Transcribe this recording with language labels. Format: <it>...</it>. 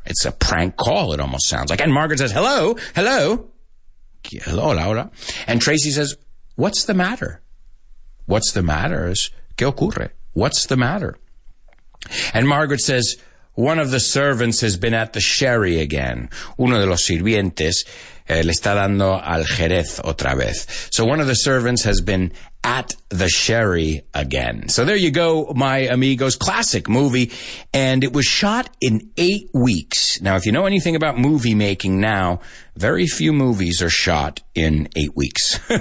<en>It's a prank call, it almost sounds like. And Margaret says, hello, hello. Hello,</en> <es>hola, hola.</es> <en>And Tracy says, what's the matter? What's the matter?</en> <es>¿Qué ocurre?</es> <en>What's the matter? And Margaret says, one of the servants has been at the sherry again.</en> <es>Uno de los sirvientes le está dando al Jerez otra vez.</es> <en>So one of the servants has been at the sherry again. So there you go, my amigos. Classic movie. And it was shot in 8 weeks. Now, if you know anything about movie making now, very few movies are shot in 8 weeks.</en>